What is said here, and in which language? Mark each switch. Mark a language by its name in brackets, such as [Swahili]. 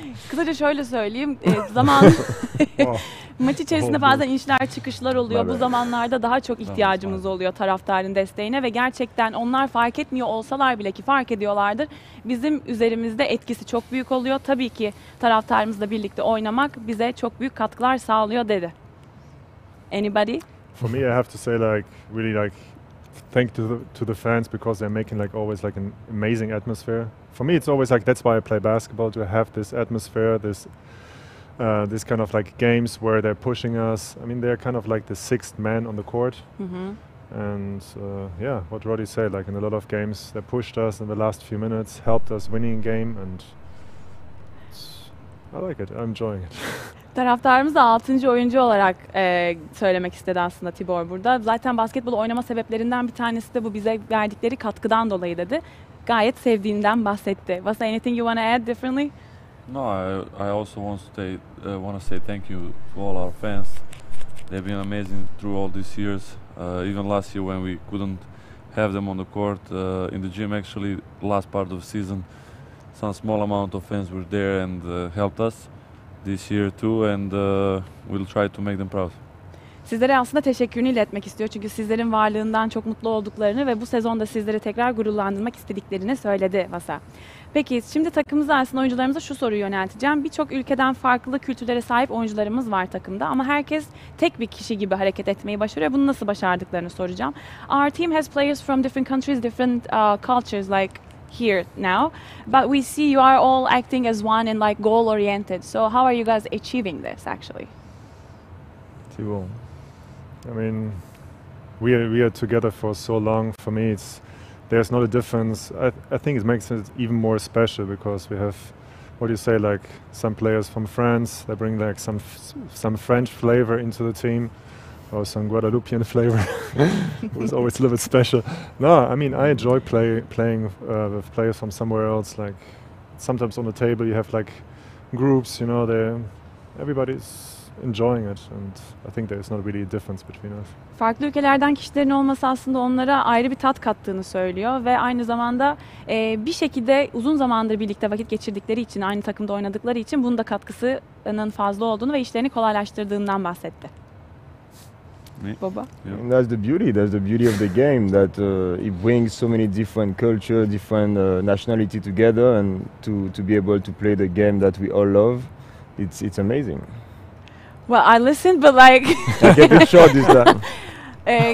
[Turkish] Kısaca şöyle söyleyeyim, zaman maç içerisinde bazen inişler çıkışlar oluyor. Bu zamanlarda daha çok ihtiyacımız oluyor taraftarın desteğine ve gerçekten onlar fark etmiyor olsalar bile, ki fark ediyorlardır, bizim üzerimizde etkisi çok büyük oluyor. Tabii ki taraftarımızla birlikte oynamak bize çok büyük katkılar sağlıyor dedi. [English] Anybody? For me, I have to say like really like thank to the fans because they're making like always like an amazing atmosphere. For me, it's always like that's why I play basketball, to have this atmosphere, this kind of like games where they're pushing us. I mean, they're kind of like the sixth man on the court. Mm-hmm. And yeah, what Roddy said, like in a lot of games, they pushed us in the last few minutes, helped us winning game, and I like it. I'm enjoying it. [Turkish] Taraftarımız da 6. oyuncu olarak söylemek istedi aslında Tibor burada. Zaten basketbol oynama sebeplerinden bir tanesi de bu, bize verdikleri katkıdan dolayı dedi. Gayet sevdiğinden bahsetti. [English] Was there anything you want to add differently? No, I also want to say thank you to all our fans. They've been amazing through all these years. Even last year when we couldn't have them on the court, in the gym actually, last part of the season, some small amount of fans were there and helped us. This year too, and we'll try to make them proud. [Turkish] Sizlere aslında teşekkürünü iletmek istiyor çünkü sizlerin varlığından çok mutlu olduklarını ve bu sezonda sizleri tekrar gururlandırmak istediklerini söyledi Vasa. Peki şimdi takımımıza, aslında oyuncularımıza şu soruyu yönelteceğim. Birçok ülkeden farklı kültürlere sahip oyuncularımız var takımda ama herkes tek bir kişi gibi hareket etmeyi başarıyor. Bunu nasıl başardıklarını soracağım. [English] Our team has players from different countries, different cultures, like here now, but we see you are all acting as one and like goal oriented. So how are you guys achieving this actually? Tibor, I mean, we are together for so long. For me, there's not a difference. I think it makes it even more special because we have, what do you say, like some players from France, they bring like some French flavor into the team. or some Guadeloupean flavor. It was always a little bit special. No, I mean, I enjoy playing with players from somewhere else. Like sometimes on the table you have like groups, you know, everybody's enjoying it, and I think there is not really a difference between us. [Turkish] Farklı ülkelerden kişilerin olması aslında onlara ayrı bir tat kattığını söylüyor ve aynı zamanda bir şekilde uzun zamandır birlikte vakit geçirdikleri için, aynı takımda oynadıkları için bunun da katkısının fazla olduğunu ve işlerini kolaylaştırdığından bahsetti. [English] Yeah. And that's the beauty of the game, that it brings so many different cultures, different nationality together, and to be able to play the game that we all love, it's amazing. Well, I listened, but like... I kept it short this time.